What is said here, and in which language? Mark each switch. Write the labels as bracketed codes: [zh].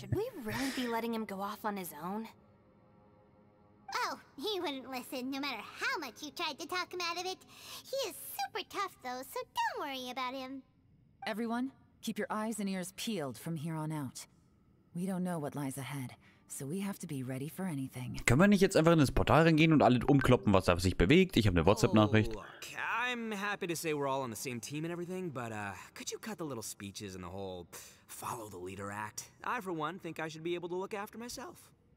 [en] Should we really be letting him go off on his own? Oh, he wouldn't listen, no matter how much you tried to talk him out of it. He is super tough, though, so don't worry about him. Everyone, keep your eyes and ears peeled from here on out. We don't know what lies ahead. So we have to be ready for anything. [de] Können wir nicht jetzt einfach in das Portal reingehen und alle umkloppen, was da sich bewegt? Ich habe eine WhatsApp-Nachricht. [en] Oh, I'm happy to say we're all on the same team and everything, but could you cut the little speeches and the whole follow the leader act? I for one think I should be able to look after myself.